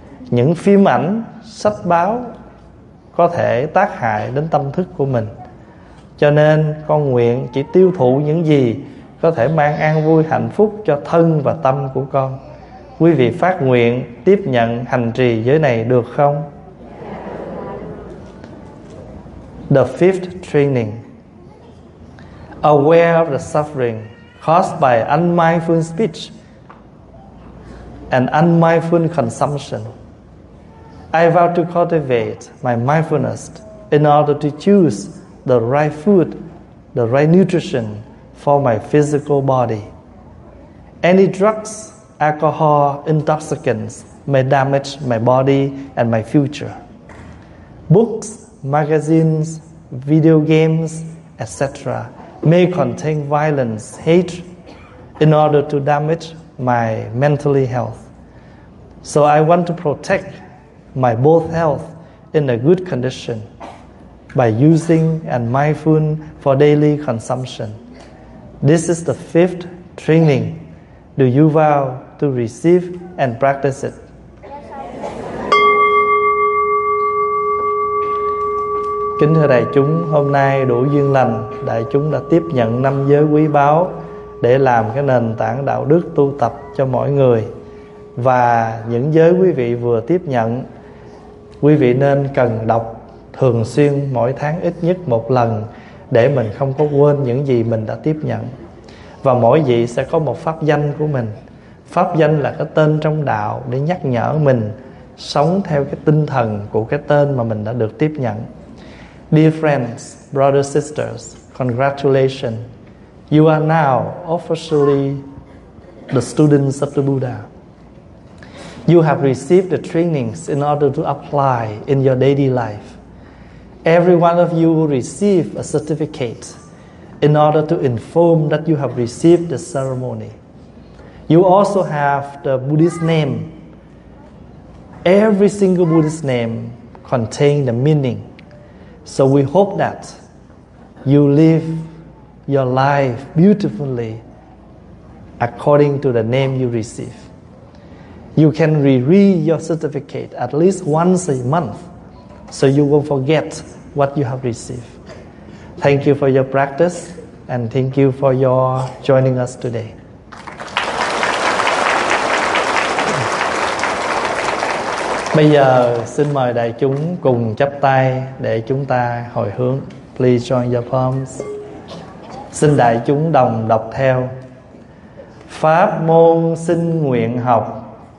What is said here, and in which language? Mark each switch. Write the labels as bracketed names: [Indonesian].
[Vietnamese] Những phim ảnh, sách báo có thể tác hại đến tâm thức của mình. Cho nên con nguyện chỉ tiêu thụ những gì có thể mang an vui hạnh phúc cho thân và tâm của con. quý vị phát nguyện tiếp nhận hành trì giới này được không? [English] The fifth training: aware of the suffering caused by unmindful speech and unmindful consumption. I vow to cultivate my mindfulness in order to choose the right food, the right nutrition for my physical body. Any drugs, alcohol, intoxicants may damage my body and my future. Books, magazines, video games, etc. may contain violence, hate, in order to damage my mental health. So I want to protect my both health in a good condition by using and mindful for daily consumption. This is the fifth training. Do you vow to receive and practice it? [Vietnamese] Kính thưa đại chúng, hôm nay đủ duyên lành, đại chúng đã tiếp nhận năm giới quý báu để làm cái nền tảng đạo đức tu tập cho mọi người. Và những giới quý vị vừa tiếp nhận, quý vị nên cần đọc thường xuyên mỗi tháng ít nhất một lần để mình không có quên những gì mình đã tiếp nhận. Và mỗi vị sẽ có một pháp danh của mình. Pháp danh là cái tên trong đạo để nhắc nhở mình sống theo cái tinh thần của cái tên mà mình đã được tiếp nhận. [English] Dear friends, brothers, sisters, congratulations. You are now officially the students of the Buddha. You have received the trainings in order to apply in your daily life. Every one of you will receive a certificate in order to inform that you have received the ceremony. You also have the Buddhist name. Every single Buddhist name contains the meaning. So we hope that you live your life beautifully according to the name you receive. You can reread your certificate at least once a month so you won't forget what you have received. Thank you for your practice and thank you for your joining us today. [Vietnamese] Bây giờ xin mời đại chúng cùng chắp tay để chúng ta hồi hướng. [English] Please join your palms. [Vietnamese] Xin đại chúng đồng đọc theo. Pháp môn xin nguyện học.